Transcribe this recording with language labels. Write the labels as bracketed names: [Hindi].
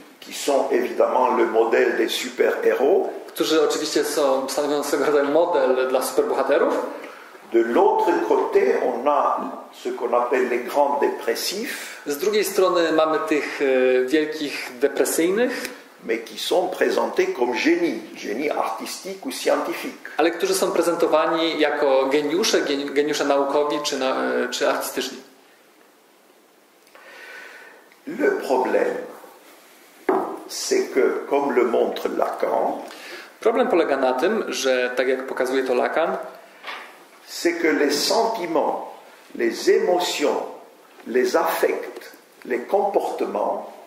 [French] Qui sont évidemment le modèle des super-héros. [Polish] Którzy oczywiście są stanowiącego rodzaju model dla superbohaterów. [French] De l'autre côté, on a ce qu'on appelle les grands dépressifs. [Polish] Z drugiej strony mamy tych wielkich depresyjnych. [French] Mais qui sont présentés comme génie artistique ou scientifique. [Polish] Ale którzy są prezentowani jako geniusze, geniusze naukowi czy artystyczni. [French] Le problème, c'est que, comme le montre Lacan, [Polish] Problem polega na tym, że tak jak pokazuje to Lacan, [French] c'est que les sentiments, les émotions, les affects, les comportements,